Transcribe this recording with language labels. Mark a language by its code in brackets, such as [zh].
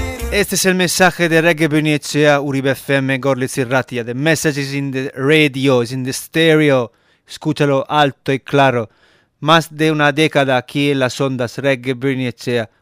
[es] Este es el mensaje de Reggae Bunichea, Uribe FM, Gorlitz Irratia. [en] The message is in the radio, is in the stereo. [es] Escúchalo alto y claro. Más de una década aquí en las ondas Reggae Bunichea.